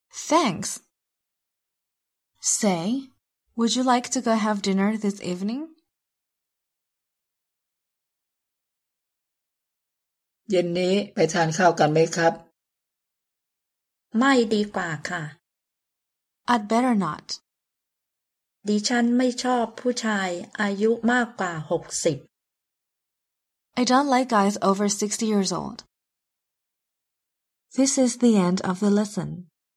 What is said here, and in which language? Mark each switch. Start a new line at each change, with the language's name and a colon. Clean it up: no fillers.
English: Thanks Say Would you like to go have dinner this evening?
Thai: เย็นนี้ไปทานข้าวกันไหมครับ ไม่ดีกว่าค่ ะ
English: I'd better not
Thai: ดิฉันไม่ชอบผู้ชายอายุมากกว่า60
English: I don't like guys over 60 years old This is the end of the lesson